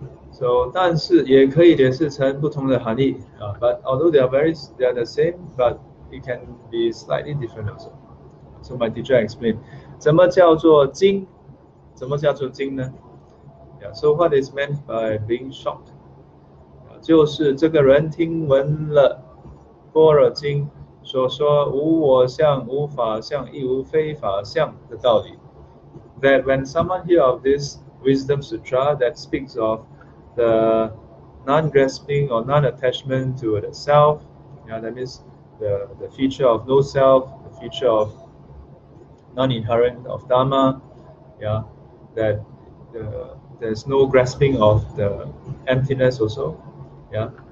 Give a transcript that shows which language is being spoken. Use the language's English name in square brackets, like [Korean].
[English] So, [Chinese] 但是也可以解释成不同的含义, [English] but although they are the same, but it can be slightly different also. So my teacher explained, [Chinese] 怎么叫做惊?怎么叫做惊呢? [English] Yeah, so what is meant by being shocked? [Chinese] 就是这个人听闻了般若经, 所说无我相、无法相、亦无非法相的道理. [English] That when someone hear of this wisdom sutra that speaks of the non-grasping or non-attachment to the self, yeah, that means the feature of no self, the feature of non-inherent of Dharma, yeah, that there's no grasping of the emptiness also, yeah.